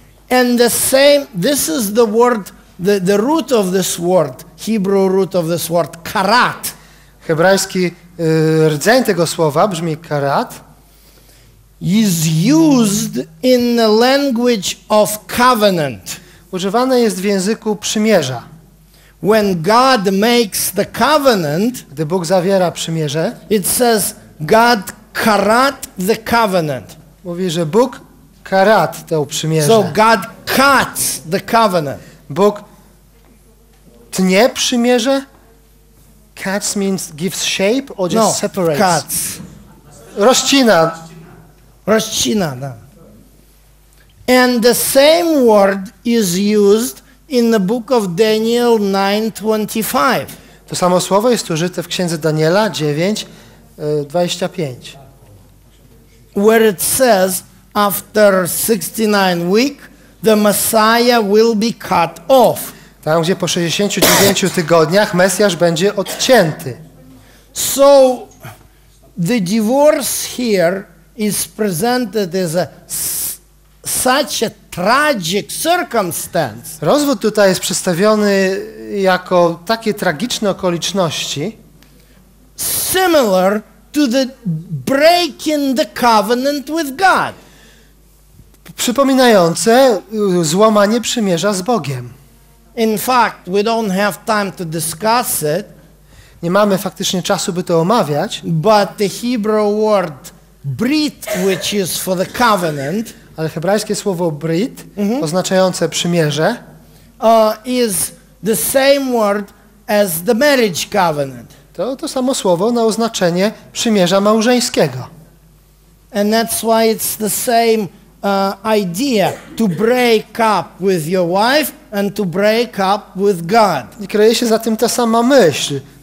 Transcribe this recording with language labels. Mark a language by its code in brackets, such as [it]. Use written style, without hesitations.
[en] And the same, this is the word, the root of this word, Hebrew root of this word, karat. [pl] Hebrajski rdzeń tego słowa brzmi karat. [en] Is used in the language of covenant. [pl] Używane jest w języku przymierza. [en] When God makes the covenant, [pl] gdy Bóg zawiera przymierze, [en] it says God karat the covenant. [pl] Mówi, że Bóg karat tę przymierze. [en] So God cuts the covenant. [pl] Bóg tnie przymierze. [en] Cuts means gives shape or just separates. Cuts. [pl] Rozcina. Rozcina, da. [en] And the same word is used in the book of Daniel 9:25. [pl] To samo słowo jest użyte w księdze Daniela 9:25. [en] Where it says after 69 week the Messiah will be cut off. [pl] Tam gdzie po 69 tygodniach Mesjasz będzie odcięty. [en] So the divorce here is presented as such a tragic circumstance. [pl] Rozwód tutaj jest przedstawiony jako takie tragiczne okoliczności. [en] Similar to the breaking the covenant with God. [pl] Przypominające złamanie przymierza z Bogiem. [en] In fact, we don't have time to discuss it. [pl] Nie mamy faktycznie czasu, by to omawiać. [en] But the Hebrew word brit, which is for the covenant, [pl] ale hebrajskie słowo brit, oznaczające przymierze, [en] is the same word as the marriage covenant. [pl] To samo słowo na oznaczenie przymierza małżeńskiego. [en] And that's why it's the same idea to break up with your wife and to break up with God. [pl] I kryje się za tym ta sama myśl.